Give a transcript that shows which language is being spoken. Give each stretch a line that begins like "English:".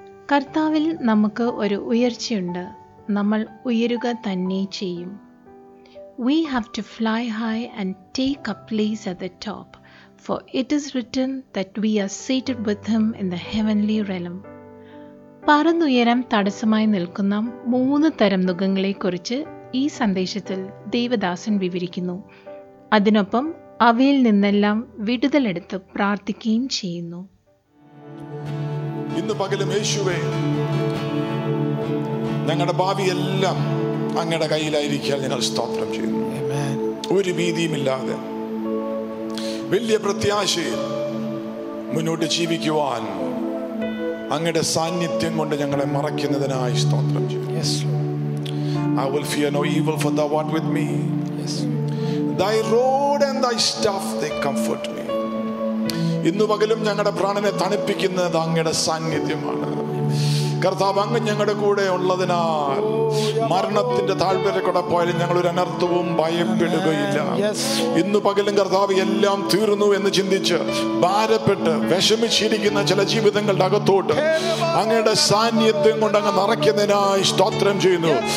Malayalam: കർത്താവിൽ നമുക്ക് ഒരു ഉയർച്ചയുണ്ട്. നമ്മൾ ഉയരുക തന്നെ ചെയ്യും.
English: We have to fly high and take a place at the top, for it is written that we are seated with him in the heavenly realm.
Malayalam: പറന്നുയരാൻ തടസ്സമായി നിൽക്കുന്ന മൂന്ന് തരം മൃഗങ്ങളെക്കുറിച്ച് ഈ സന്ദേശത്തിൽ ദേവദാസൻ വിവരിക്കുന്നു. അതിനൊപ്പം അവയിൽ നിന്നെല്ലാം വിടുതലെടുത്ത് പ്രാർത്ഥിക്കുകയും ചെയ്യുന്നു. ഇന്ന് പകലും യേശുവേ, ഞങ്ങളുടെ ഭാവിയെല്ലാം അങ്ങയുടെ കയ്യിലായിരിക്കാൻ ഞങ്ങൾ സ്തോത്രം ചെയ്യുന്നു. ഒരു ഭീതിയുമില്ലാതെ വലിയ പ്രത്യാശയിൽ മുന്നോട്ട് ജീവിക്കുവാൻ അങ്ങയുടെ സാന്നിധ്യം കൊണ്ട് ഞങ്ങളെ മറയ്ക്കുന്നതിനായി സ്തോത്രം ചെയ്യുന്നു.
English: I will fear no evil for thou art with me. Yes. Thy rod and thy staff, they comfort me.
Malayalam: ഇന്നു പകലും ഞങ്ങളുടെ പ്രാണനെ തണുപ്പിക്കുന്നത് അങ്ങയുടെ സാന്നിധ്യമാണ്. കർത്താവ് അങ്ങ് ഞങ്ങളുടെ കൂടെ ഉള്ളതിനാൽ മരണത്തിന്റെ താഴ്വര കൂടെ പോയാലും ഞങ്ങൾ ഒരു അനർത്ഥവും ഭയപ്പെടുകയില്ല. ഇന്ന് പകലും കർത്താവ് എല്ലാം തീർന്നു എന്ന് ചിന്തിച്ച് ഭാരപ്പെട്ട് വിഷമിച്ചിരിക്കുന്ന ചില ജീവിതങ്ങളുടെ അകത്തോട്ട് അങ്ങയുടെ സാന്നിധ്യം കൊണ്ട് അങ്ങ് നിറയ്ക്കുന്നതിനായി സ്തോത്രം ചെയ്യുന്നു.